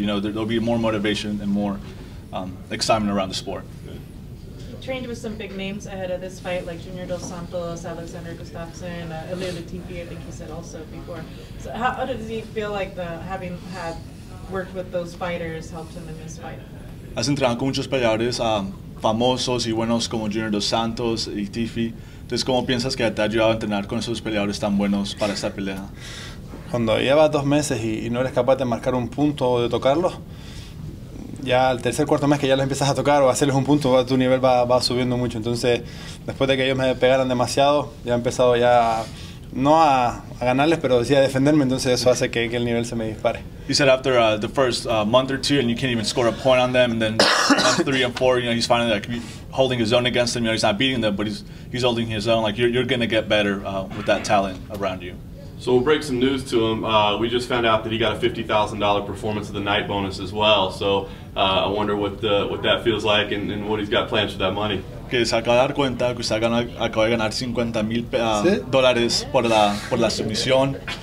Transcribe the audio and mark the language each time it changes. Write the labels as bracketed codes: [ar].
[en] You know, there'll be more motivation and more excitement around the sport. He trained with some big names ahead of this fight, like Junior Dos Santos, Alexander Gustafsson, Ilia Laatifi, I think he said also before. So how does he feel like having worked with those fighters helped him in this fight? [es] Has entrenado con muchos peleadores famosos y buenos como Junior Dos Santos y Tiffy. Entonces, ¿cómo piensas que te ha ayudado a entrenar con esos peleadores tan buenos para esta pelea? Cuando llevas dos meses y no eres capaz de marcar un punto o de tocarlos, ya al tercer cuarto mes que ya los empiezas a tocar o hacerles un punto, tu nivel va subiendo mucho. Entonces, después de que ellos me pegaran demasiado, ya he empezado ya no a ganarles, pero decía a defenderme, entonces eso hace que el nivel se me dispare. [en] He said after the first month or two, and you can't even score a point on them, and then three and four, you know, he's finally like holding his own against them. You know, he's not beating them, but he's holding his own. Like you're gonna get better with that talent around you. So we'll break some news to him. We just found out that he got a $50,000 performance of the night bonus as well. So I wonder what that feels like and what he's got planned for that money. [es] Que se acaba de dar cuenta que usted acaba de ganar $50,000 por la sumisión.